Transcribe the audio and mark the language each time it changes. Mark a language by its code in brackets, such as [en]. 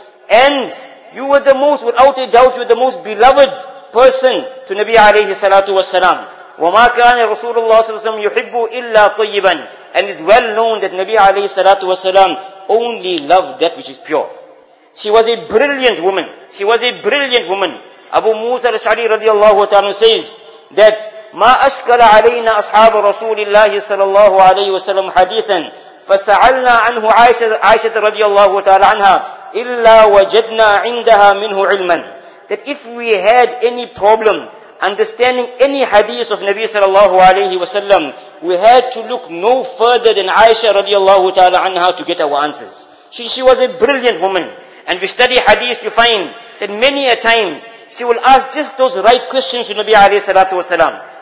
[en] And you were the most, without a doubt, you were the most beloved person to Nabi alayhi salatu wasalam. [ar] وَمَا كَانَ رَسُولُ اللَّهِ صَلَّى اللَّهُ عَلَيْهِ وَسَلَّمَ يُحِبُّ إِلَّا طَيِّبًا. [en] And it's well known that Nabi alayhi salatu wasalam only loved that which is pure. She was a brilliant woman. She was a brilliant woman. Abu Musa al-Ash'ari radiallahu ta'ala says that [ar] مَا أَشْكَلَ عَلَيْنَا أَصْحَابَ رَسُولِ اللَّهِ صَلَى اللَّهُ عَلَيْهِ وَسَلَّمْ حَدِيثًا فَسَعَلْنَا عَنْهُ عَيْشَةَ رَضِيَ ta'ala anha إِلَّا وَجَدْنَا عِنْدَهَا مِنْهُ عِلْمًا. [en] That if we had any problem understanding any hadith of Nabi sallallahu alayhi wa sallam, we had to look no further than Aisha radiallahu ta'ala anha to get our answers. She was a brilliant woman. And we study hadith, you find that many a times, she will ask just those right questions to Nabi alayhi salatu wa sallam.